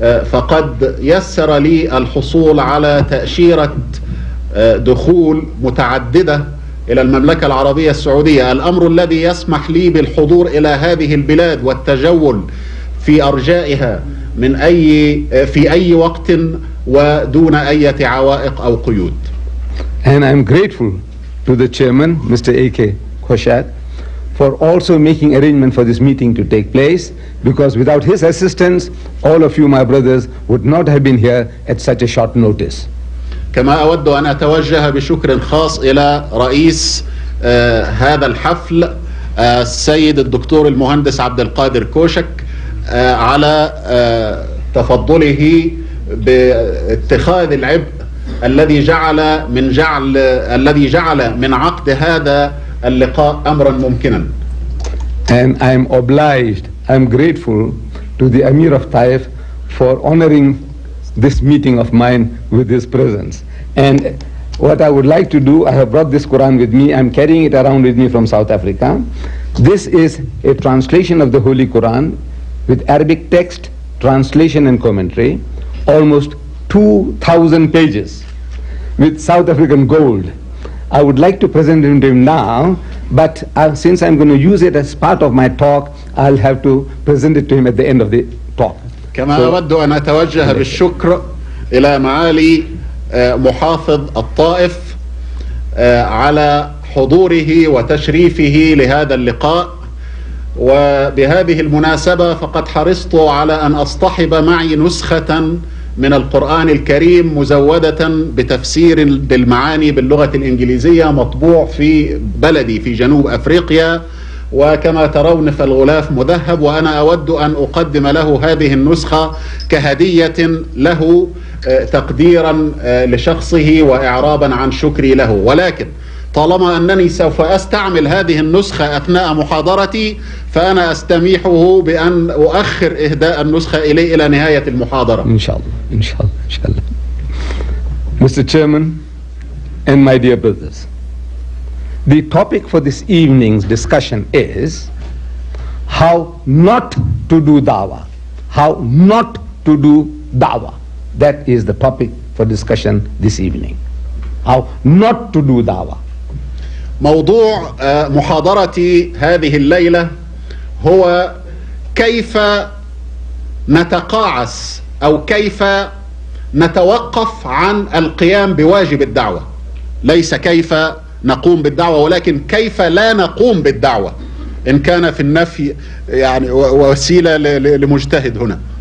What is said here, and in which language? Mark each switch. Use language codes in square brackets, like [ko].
[ar] فقد يسر لي الحصول على تأشيرة دخول متعددة إلى المملكة العربية السعودية، الأمر الذي يسمح لي بالحضور إلى هذه البلاد والتجول في أرجائها من أي في أي وقت ودون أي عوائق أو قيود. [en] And I'm grateful to the chairman, Mr. A.K. Khoshad, for also making arrangement for this meeting to take place, because without his assistance, all of you, my brothers, would not have been here at such a short notice. [ar] كما أود أن أتوجه بشكر خاص إلى رئيس هذا الحفل السيد الدكتور المهندس عبد القادر كوشك على تفضله باتخاذ العبء الذي جعل من عقد هذا اللقاء أمرا ممكنا. [en] And I'm obliged, I'm grateful to the Emir of Taif for honoring this meeting of mine with his presence. And what I would like to do, I have brought this Quran with me, I'm carrying it around with me from South Africa. This is a translation of the Holy Quran with Arabic text, translation and commentary, almost 2,000 pages with South African gold. I would like to present it to him now, but since I'm going to use it as part of my talk, I'll have to present it to him at the end of the talk. [ar] كما أود أن أتوجه بالشكر إلى معالي محافظ الطائف على حضوره وتشريفه لهذا اللقاء. وبهذه المناسبة فقد حرصت على أن أصطحب معي نسخة من القرآن الكريم مزودة بتفسير للمعاني باللغة الإنجليزية مطبوع في بلدي في جنوب أفريقيا، وكما ترون فالغلاف مذهب، وأنا أود أن أقدم له هذه النسخة كهدية له تقديرا لشخصه وإعرابا عن شكري له. ولكن طالما أنني سوف أستعمل هذه النسخة أثناء محاضرتي فأنا أستميحه بأن أؤخر إهداء النسخة إلي إلى نهاية المحاضرة. إن شاء الله إن شاء الله إن شاء الله. [en] Mr. Chairman and my dear brothers, the topic for this evening's discussion is how not to do dawah. How not to do dawah. That is the topic for discussion this evening. How not to do dawah. [ar] موضوع محاضرتي هذه الليلة هو كيف نتقاعس أو كيف نتوقف عن القيام بواجب الدعوة، ليس كيف نقوم بالدعوة ولكن كيف لا نقوم بالدعوة، إن كان في النفي يعني وسيلة لمجتهد هنا.